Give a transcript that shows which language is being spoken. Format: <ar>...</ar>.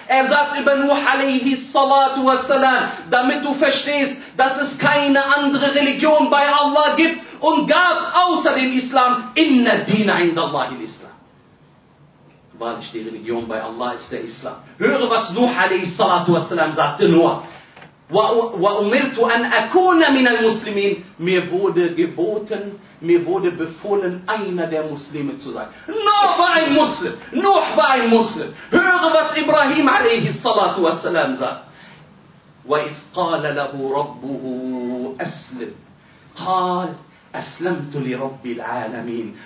<de>Er sagt über Nuh alayhi salatu wa salam, damit du verstehst, dass es keine andere Religion bei Allah gibt und gab außer dem Islam.</de> <ar>Inna dina inda Allahi l-Islam.</ar> <de>Wahrlich, die Religion bei Allah ist der Islam. Höre, was Nuh alayhi salatu wa salam sagte, Nuh.</de> <ar>وأمرت أن أكون من المسلمين.</ar> <de>Mir wurde geboten, mir wurde befohlen, einer der Muslime zu sein. Noch war ein Muslim. Noch war ein Muslim. Höre, was Ibrahim</de> <ar>عليه الصلاة والسلام</ar> <de>sagt.</de> <ar>وإذ قال له ربه أسلم. قال أسلمت لرب العالمين.</ar>